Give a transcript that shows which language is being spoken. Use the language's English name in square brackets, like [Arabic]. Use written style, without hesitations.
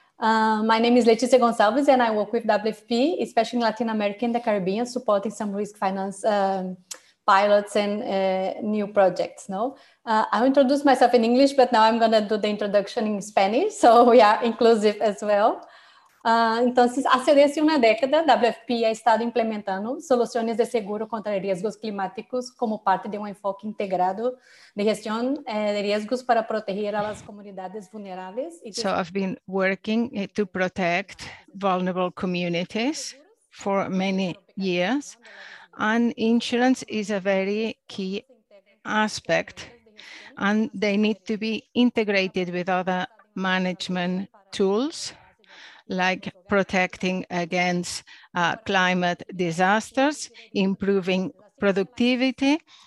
[English] My name is Letícia Gonçalves, and I work with WFP, especially in Latin America and the Caribbean, supporting some risk finance pilots and new projects. No, I'll introduce myself in English, but now I'm going to do the introduction in Spanish, so we are inclusive as well. [Spanish] Entonces, hace desde una década, WFP ha estado implementando soluciones de seguro contra riesgos climáticos como parte de un enfoque integrado de gestión de riesgos para proteger a las comunidades vulnerables. [English] So I've been working to protect vulnerable communities for many years, and insurance is a very key aspect, and they need to be integrated with other management tools, like protecting against climate disasters, improving productivity.